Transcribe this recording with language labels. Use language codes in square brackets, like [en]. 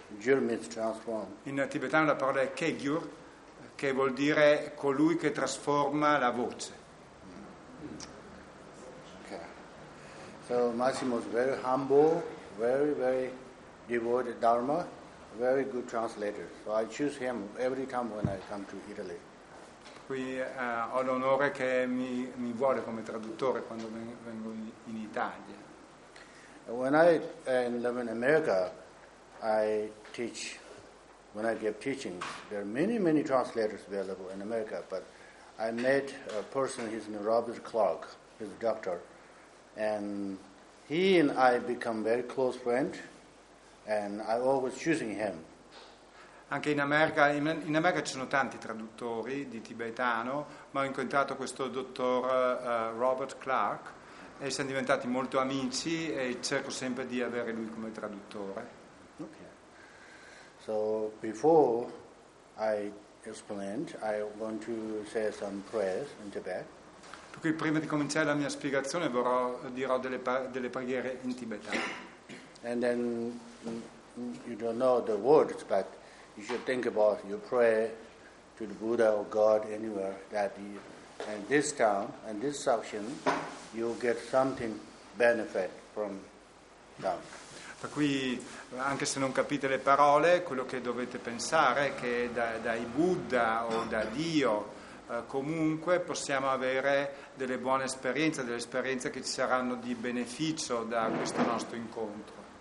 [en] Jur means transform. [it] In tibetano la parola è kegyur, che vuol dire colui che trasforma la voce. [en] So Massimo is very humble, very very devoted Dharma, very good translator. So I choose him every time when I come to Italy. [it] Qui ho l'onore che mi vuole come traduttore quando vengo in Italia. [en] When I live in America, I teach. When I give teaching, there are many many translators available in America. But I met a person. His name is Robert Clark. He's a doctor. And he and I become very close friends, and I always choosing him. [it] Anche in America, in America ci sono tanti traduttori di tibetano, ma ho incontrato questo dottor Robert Clark e siamo diventati molto amici e cerco sempre di avere lui come traduttore. [en] Okay. So before I explain, I want to say some prayers in Tibet. [it] Qui prima di cominciare la mia spiegazione dirò delle preghiere in tibetano. [en] And then you don't know the words, but you should think about your prayer to the Buddha or God anywhere that you, in this town and this section, you get something benefit from them. [it] Per cui anche se non capite le parole, quello che dovete pensare è che dai Buddha o da Dio comunque possiamo avere delle buone esperienze, delle esperienze che ci saranno di beneficio da questo nostro incontro.